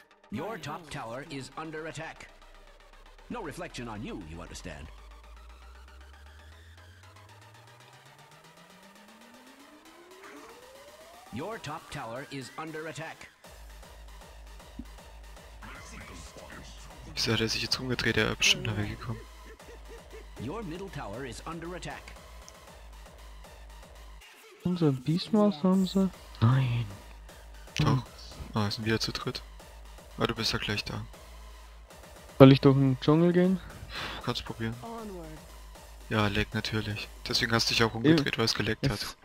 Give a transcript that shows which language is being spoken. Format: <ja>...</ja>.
<en>Your top tower is under attack. No reflection on you, you understand. Your top tower is under attack.</en> <de>Wieso hat er sich jetzt umgedreht? Er ist bestimmt da weggekommen.</de> <en>Your middle tower is under attack.</en> <de>Unser Beastmaus haben sie? Nein. Doch. Ah, sind wieder zu dritt. Aber du bist ja gleich da. Soll ich durch den Dschungel gehen? Kannst probieren. Ja, lag natürlich. Deswegen hast du dich auch umgedreht, weil es geleckt hat.</de>